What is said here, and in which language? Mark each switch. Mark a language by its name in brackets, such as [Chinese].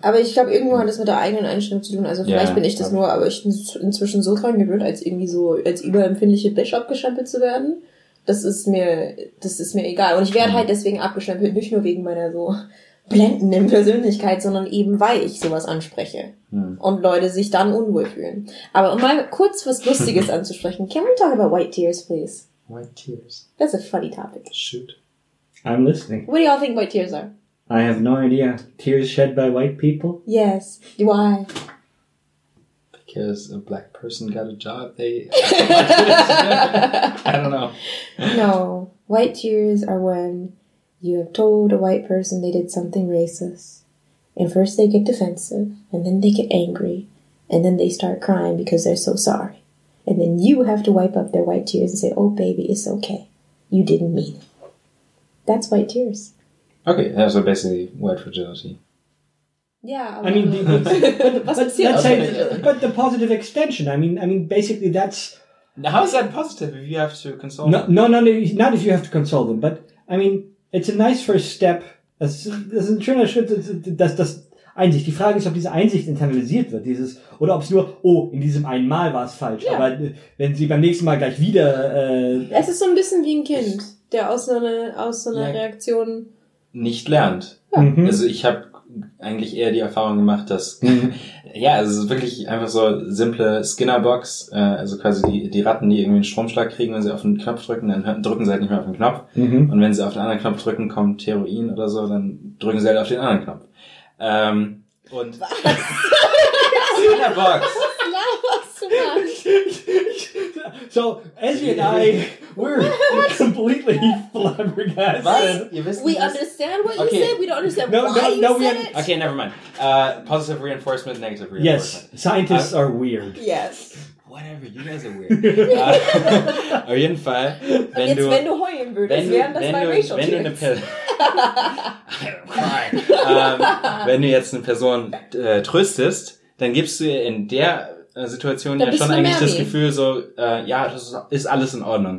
[German] Aber ich glaube, irgendwo hat das mit der eigenen Einstellung zu tun, also vielleicht bin ich das nur, aber ich bin inzwischen so dran gewöhnt, als überempfindliche Bitch abgeschampelt zu werden. Das ist mir egal. Und ich werde halt deswegen abgestempelt, nicht nur wegen meiner so blendenden Persönlichkeit, sondern eben, weil ich sowas anspreche. Hm. Und Leute sich dann unwohl fühlen. Aber um mal kurz was Lustiges anzusprechen. [English] Can we talk about white tears, please? White tears. That's a funny topic. Shoot. I'm listening. What do you all think white tears are? I have no idea. Tears shed by white people? Yes. Why? Because a black person got a job, they... I don't know. No. White tears are when you have told a white person they did something racist. And first they get defensive, and then they get angry, and then they start crying because they're so sorry. And then you have to wipe up their white tears and say, oh, baby, it's okay. You didn't mean it. That's white tears. Okay, that's basically white fragility. Yeah, I mean, but the positive extension. I mean, basically, that's now, how is that positive if you have to console them? No, not if you have to console them. But I mean, it's a nice first step. [German] Das ist ein schöner Schritt, das Einsicht. Die Frage ist, ob diese Einsicht internalisiert wird, dieses oder ob es nur in diesem einen Mal war es falsch. Yeah. Aber wenn sie beim nächsten Mal gleich wieder. Es ist so ein bisschen wie ein Kind, der aus so einer Reaktion nicht lernt. Ja. Mhm. Also ich habe eigentlich eher die Erfahrung gemacht, dass es ist wirklich einfach so simple Skinner-Box, also quasi die Ratten, die irgendwie einen Stromschlag kriegen, wenn sie auf den Knopf drücken, dann drücken sie halt nicht mehr auf den Knopf. Mhm. Und wenn sie auf den anderen Knopf drücken, kommt Heroin oder so, dann drücken sie halt auf den anderen Knopf. Und was? Skinner-Box! [English] So, Ezzie and I, we're completely flabbergasted. We understand what you said, we don't understand why you said it. Okay, never mind. Positive reinforcement, negative reinforcement. Yes, scientists are weird. Yes. Whatever, you guys are weird. [German] Auf jeden Fall, wenn du... Jetzt, wenn du heulen würdest, wären das bei Rachel. Wenn du eine Person... wenn du jetzt eine Person tröstest, dann gibst du ihr in der... Situation ja schon eigentlich das Gefühl so, ja, das ist alles in Ordnung.